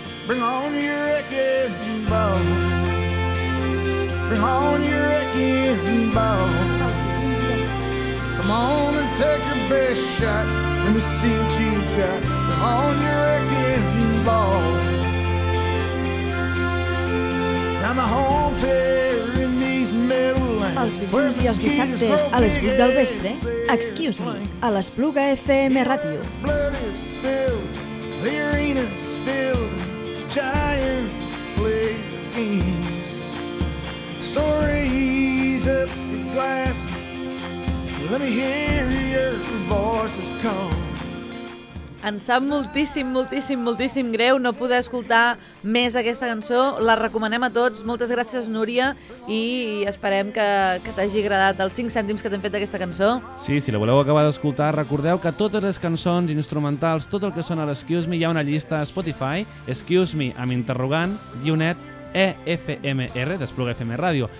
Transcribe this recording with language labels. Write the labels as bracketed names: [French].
[English] Bring on your wrecking ball. Bring on your wrecking ball. Come on and take your best shot. Let me see what you got. Bring on your wrecking ball. Now my home's here in these meadowlands. [Catalan] Els dilluns i els dissabtes a les 8 del vespre, Excuse Me, a l'Espluga FM Ràdio. [English] Blood is spilled, the arena's filled, giants play games. So raise up your glasses, let me hear your voices call. [Catalan] Em sap moltíssim, moltíssim, moltíssim greu no poder escoltar més aquesta cançó. La recomanem a tots. Moltes gràcies, Núria, i esperem que t'hagi agradat els 5 cèntims que t'hem fet d'aquesta cançó. Sí, si la voleu acabar d'escoltar, recordeu que totes les cançons instrumentals, tot el que sona a l'Excuse Me, hi ha una llista a Spotify, Excuse Me, amb interrogant, guionet, EFMR, d'Espluga FM Ràdio.